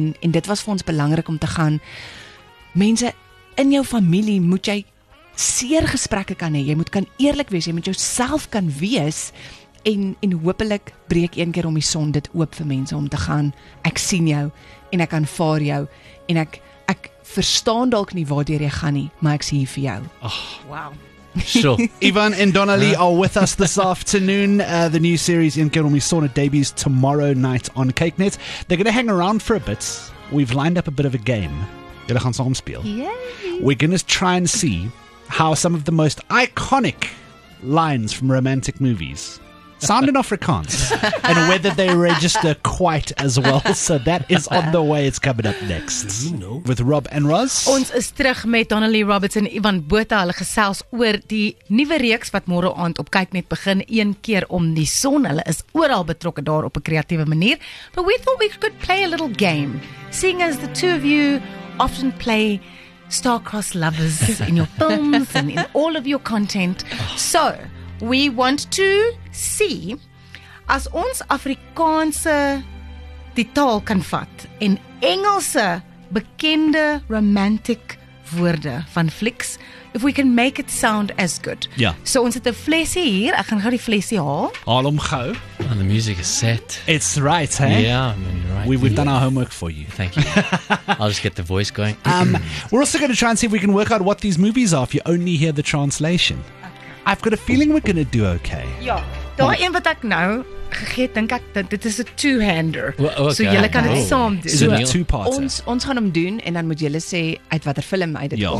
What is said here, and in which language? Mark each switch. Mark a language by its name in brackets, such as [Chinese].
[Afrikaans] En dit was vir ons belangrik om te gaan, mense, in jou familie moet jy seer gesprekke kan hê. Jy moet kan eerlik wees, jy moet jouself kan wees. En hopelik breek Een keer om die son dit oop vir mense om te gaan, ek sien jou en ek aanvaar jou en ek verstaan dalk nie waardeur jy gaan nie, maar ek is hier vir jou. [English] Oh. Wow. Sure. Ivan and Donnelly are with us this afternoon. The new series Een keer om die son debuts tomorrow night on CakeNet. They're going to hang around for a bit. We've lined up a bit of a game. [Afrikaans] Julle gaan saam speel. [English] Yay. We're going to try and see how some of the most iconic lines from romantic movies sound in Afrikaans and whether they register quite as well. So that is on the way. It's coming up next. With Rob and Roz. [Afrikaans] Ons is terug met Donnelly Roberts en Ivan Botha. Hulle gesels oor die nuwe reeks wat môre aand op Kijknet begin, Een keer om die son. Hulle is oral betrokke daar op 'n kreatiewe manier. [English] But we thought we could play a little game, seeing as the two of you often play star-crossed lovers in your films and in all of your content. So we want to see, [Afrikaans] as ons Afrikaanse die taal kan vat en Engelse bekende romantic woorde van [English] flicks, if we can make it sound as good. Yeah. [Afrikaans] So ons het 'n flesie hier. Ek gaan gou die flesie haal. Haal hom gou. [English] And the music is set. It's right, hey? Yeah, I mean, right. We've done our homework for you. Thank you. I'll just get the voice going. We're also going to try and see if we can work out what these movies are if you only hear the translation. Okay. I've got a feeling we're going to do okay. Yeah. [Afrikaans] Daar een wat ek nou gegee, dink ek, dit is [English] a two-hander. Well, okay. [Afrikaans] So julle kan dit saam doen. [English] So it's a two-parter. [Afrikaans] Ons gaan hom doen en dan moet julle sê uit watter film uit dit kom.